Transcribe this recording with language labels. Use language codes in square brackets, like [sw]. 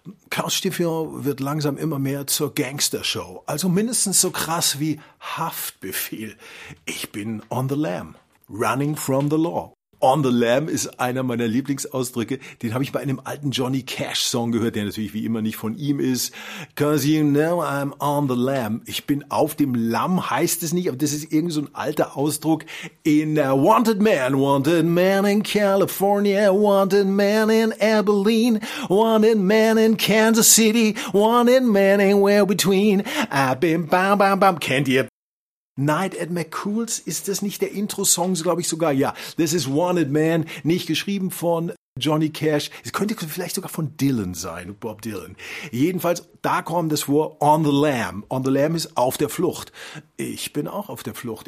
[de] Chaos Stiefel wird langsam immer mehr zur Gangstershow. Also mindestens so krass wie Haftbefehl. Ich bin [en] on the lam, running from the law. [de] On the lam ist einer meiner Lieblingsausdrücke. Den habe ich bei einem alten Johnny Cash Song gehört, der natürlich wie immer nicht von ihm ist. [en] 'Cause you know I'm on the lam. [de] Ich bin auf dem Lamm, heißt es nicht, aber das ist irgend so ein alter Ausdruck. [en] In a wanted man in California, wanted man in Abilene, wanted man in Kansas City, wanted man anywhere between. I've been bam, bam, bam. [de] Kennt ihr? Night at McCool's, ist das nicht der Intro-Song, glaube ich sogar? Ja, This is Wanted Man, nicht geschrieben von Johnny Cash. Es könnte vielleicht sogar von Dylan sein, Bob Dylan. Jedenfalls, da kommt das Wort On the Lam. On the Lam ist auf der Flucht. Ich bin auch auf der Flucht.